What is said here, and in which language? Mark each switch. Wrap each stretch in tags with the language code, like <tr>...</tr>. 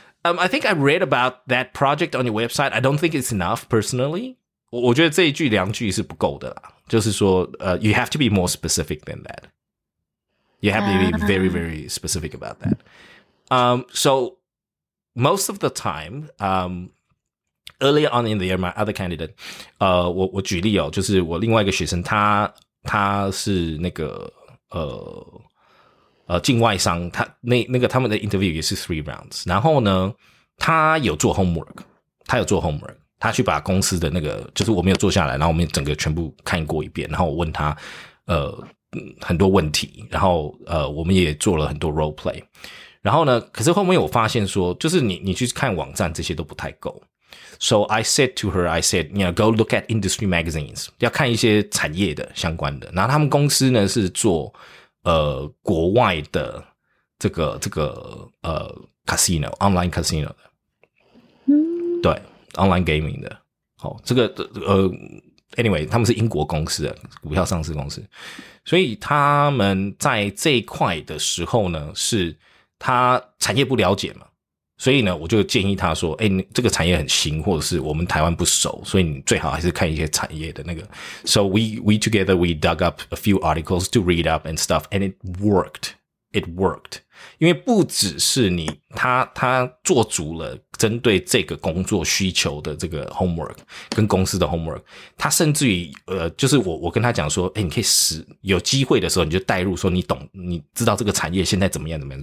<en>I think I read about that project on your website. I don't think it's enough, personally.</en> <zh>我觉得这一句两句是不够的啦。就是说、</zh> <en>you have to be more specific than that. You have to be very, very specific about that.、So most of the time,、earlier on in the year, my other candidate,、</en> <zh>我举例哦，就是我另外一个学生，他是那个、境外商，他们的 interview 也是 three rounds， 然后呢，他有做 homework， 他去把公司的那个，就是我没有做下来，然后我们整个全部看过一遍，然后我问他，很多问题，然后我们也做了很多 role play， 然后呢，可是后面我发现说，就是你去看网站这些都不太够 ，</zh> <en>so I said, you know, go look at industry magazines，</en> <zh>要看一些产业的相关的，然后他们公司呢是做。国外的这个casino online casino 的，嗯，对 online gaming 的，好、哦，这个anyway 他们是英国公司的股票上市公司，所以他们在这一块的时候呢，是他产业不了解嘛，所以呢，我就建议他说，哎，这个产业很新，或者是我们台湾不熟，所以你最好还是看一些产业的那个。</zh> <en>So we together we dug up a few articles to read up and stuff, and it worked.</en> <zh>因为不只是你，他做足了针对这个工作需求的这个 homework 跟公司的 homework， 他甚至于就是我跟他讲说，哎，你可以使有机会的时候你就带入说，你知道这个产业现在怎么样。</zh>